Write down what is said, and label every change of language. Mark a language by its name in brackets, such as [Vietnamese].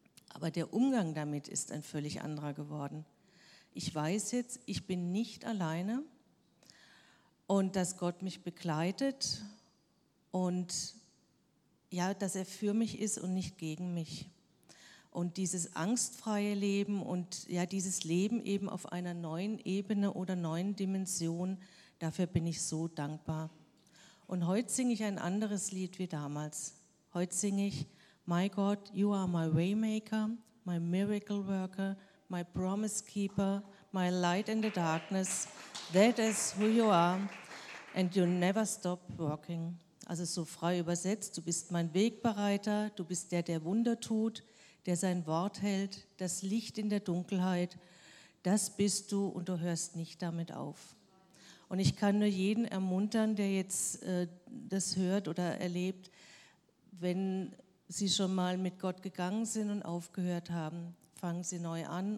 [German] Aber der Umgang damit ist ein völlig anderer geworden. Ich weiß jetzt, ich bin nicht alleine und dass Gott mich begleitet und ja, dass er für mich ist und nicht gegen mich. Und dieses angstfreie Leben und ja, dieses Leben eben auf einer neuen Ebene oder neuen Dimension, dafür bin ich so dankbar. Und heute singe ich ein anderes Lied wie damals. Heute singe ich, [English] My God, you are my waymaker, my miracle worker, my promise keeper, my light in the darkness, that is who you are and you never stop working. [German] Also so frei übersetzt, du bist mein Wegbereiter, du bist der, der Wunder tut, der sein Wort hält, das Licht in der Dunkelheit, das bist du und du hörst nicht damit auf. Und ich kann nur jeden ermuntern, der jetzt das hört oder erlebt, wenn sie schon mal mit Gott gegangen sind und aufgehört haben, fangen sie neu an.